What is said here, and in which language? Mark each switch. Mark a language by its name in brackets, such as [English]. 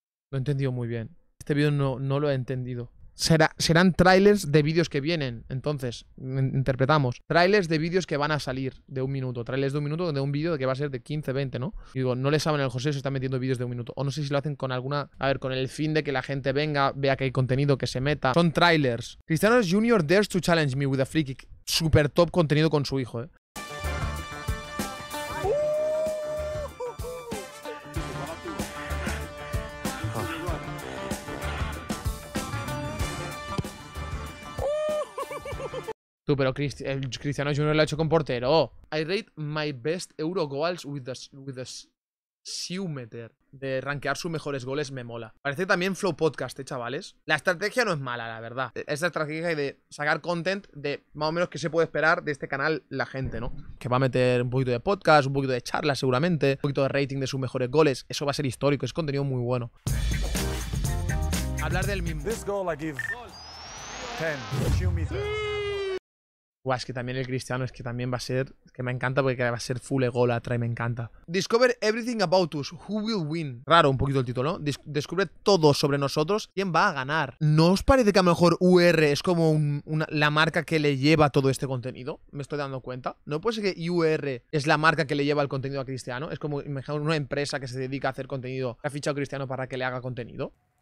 [Spanish] Lo he entendido muy bien. Este vídeo no lo he entendido. Serán trailers de vídeos que vienen. Entonces, interpretamos. Trailers de vídeos que van a salir de un minuto. Trailers de un minuto de un vídeo que va a ser de 15, 20, ¿no? Y digo, no le saben el José, se están metiendo vídeos de un minuto. O no sé si lo hacen con alguna... A ver, con el fin de que la gente venga, vea que hay contenido, que se meta. Son trailers. [English] Cristiano Junior dares to challenge me with a free kick. [Spanish] Super top contenido con su hijo, ¿eh? Tú, pero Cristiano Junior lo ha hecho con portero. [English] I rate my best Euro goals with the Siumeter. [Spanish] De rankear sus mejores goles me mola. Parece también Flow Podcast, chavales. La estrategia no es mala, la verdad. Esa estrategia de sacar content de más o menos que se puede esperar de este canal la gente, ¿no? Que va a meter un poquito de podcast, un poquito de charla seguramente, un poquito de rating de sus mejores goles. Eso va a ser histórico, es contenido muy bueno. Hablar del mismo. [English] This goal I give 10 Siumeter. [Spanish] Es que también el Cristiano, es que también va a ser, es que me encanta porque va a ser full ególatra y me encanta. [English] Discover everything about us, who will win. [Spanish] Raro un poquito el título, ¿no? Descubre todo sobre nosotros, ¿quién va a ganar? ¿No os parece que a lo mejor UR es como la marca que le lleva todo este contenido? Me estoy dando cuenta. ¿No puede ser que UR es la marca que le lleva el contenido a Cristiano? Es como, imagínate, una empresa que se dedica a hacer contenido, que ha fichado a Cristiano para que le haga contenido.